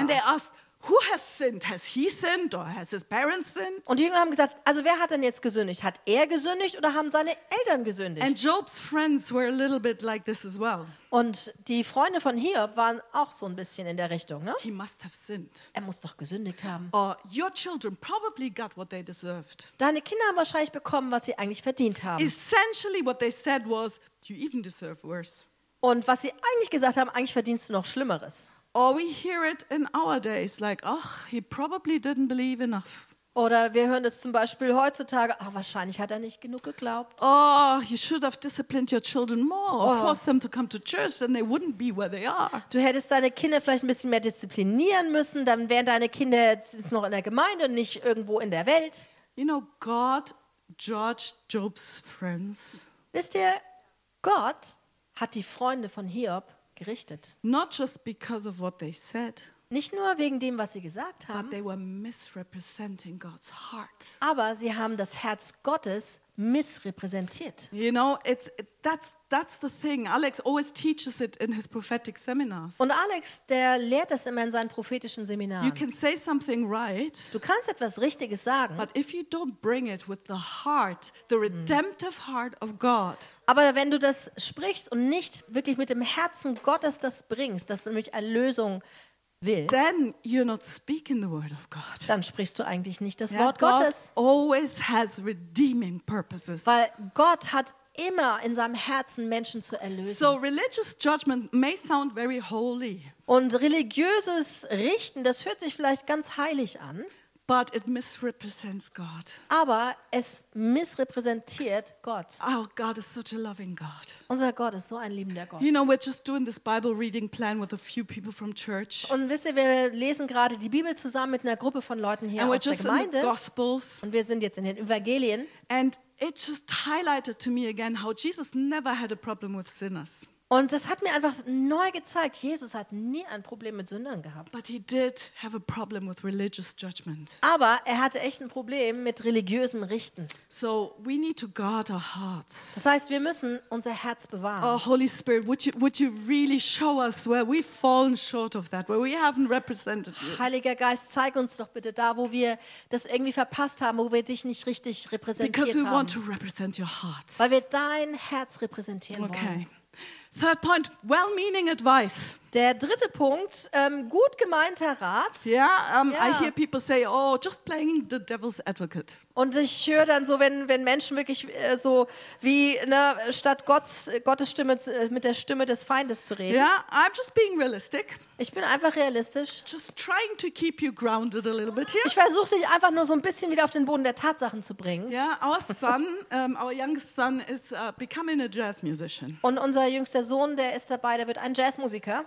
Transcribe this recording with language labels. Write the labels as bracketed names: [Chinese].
[English] And they asked, who has sinned? Has he sinned or has his parents sinned? [German] Und die Jünger haben gesagt, also wer hat denn jetzt gesündigt? Hat er gesündigt oder haben seine Eltern gesündigt? [English] And Job's friends were a little bit like this as well. [German] Und die Freunde von Hiob waren auch so ein bisschen in der Richtung, ne? [English] He must have sinned. [German] Er muss doch gesündigt haben. [English] Or your children probably got what they deserved. [German] Deine Kinder haben wahrscheinlich bekommen, was sie eigentlich verdient haben. [English] Essentially what they said was, you even deserve worse. [German] Und was sie eigentlich gesagt haben, eigentlich verdienst du noch Schlimmeres. [English] Or we hear it in our days, like, oh, he probably didn't believe enough. [German] Oder wir hören es zum Beispiel heutzutage, ach, wahrscheinlich hat er nicht genug geglaubt. [English] Oh, you should have disciplined your children more or forced them to come to church, then they wouldn't be where they are. [German] Du hättest deine Kinder vielleicht ein bisschen mehr disziplinieren müssen, dann wären deine Kinder jetzt noch in der Gemeinde und nicht irgendwo in der Welt. [English] You know, God judged Job's friends. [German] Wisst ihr, Gott hat die Freunde von Hiob gerichtet. [English] Not just because of what they said. [German] Nicht nur wegen dem, was sie gesagt haben. [English] But they were misrepresenting God's heart. [German] Aber sie haben das Herz Gottes missrepräsentiert. [English] You know, that's the thing. Alex always teaches it in his prophetic seminars. [German] Und Alex, der lehrt das immer in seinen prophetischen Seminaren. [English] You can say something right. [German] Du kannst etwas Richtiges sagen. [English] But if you don't bring it with the heart, the redemptive heart of God. [German] Aber wenn du das sprichst und nicht wirklich mit dem Herzen Gottes das bringst, das nämlich Erlösung will, [English] then you're not speaking the word of God. [German] Dann sprichst du eigentlich nicht das Wort [English] God [German] Gottes. [English] Always has redeeming purposes. [German] Weil Gott hat immer in seinem Herzen Menschen zu erlösen. [English] So religious judgment may sound very holy. [German] Und religiöses Richten, das hört sich vielleicht ganz heilig an. [English] But it misrepresents God. [German] Aber es missrepräsentiert Gott. [English] Oh, God is such a loving God. [German] Unser Gott ist so ein liebender Gott. [English] You know, we're just doing this Bible reading plan with a few people from church. [German] Und wisst ihr, wir lesen gerade die Bibel zusammen mit einer Gruppe von Leuten hier [English] and [German] aus der Gemeinde. [English] And we're just in the Gospels. [German] Und wir sind jetzt in den Evangelien. [English] And it just highlighted to me again how Jesus never had a problem with sinners. [German] Und das hat mir einfach neu gezeigt, Jesus hat nie ein Problem mit Sündern gehabt. [English] But he did have a problem with religious judgment. [German] Aber er hatte echt ein Problem mit religiösem Richten. [English] So we need to guard our hearts. [German] Das heißt, wir müssen unser Herz bewahren. [English] Oh, Holy Spirit, would you really show us where we've fallen short of that, where we haven't represented you? [German] Heiliger Geist, zeig uns doch bitte da, wo wir das irgendwie verpasst haben, wo wir dich nicht richtig repräsentiert [English] Because we [German] haben. [English] Want to represent your heart. [German] Weil wir dein Herz repräsentieren wollen. [English] Okay. Third point, well-meaning advice. [German] Der dritte Punkt, gut gemeinter Rat. [English] Yeah, yeah. I hear people say, oh, just playing the devil's advocate. [German] Und ich höre dann so, wenn Menschen wirklich so wie ne, statt Gottes Stimme mit der Stimme des Feindes zu reden. [English] Yeah, I'm just being realistic. [German] Ich bin einfach realistisch. [English] Just trying to keep you grounded a little bit here. [German] Ich versuche dich einfach nur so ein bisschen wieder auf den Boden der Tatsachen zu bringen. [English] Yeah, our son, our youngest son is becoming a jazz musician. [German] Und unser jüngster Sohn, der ist dabei, der wird ein Jazzmusiker.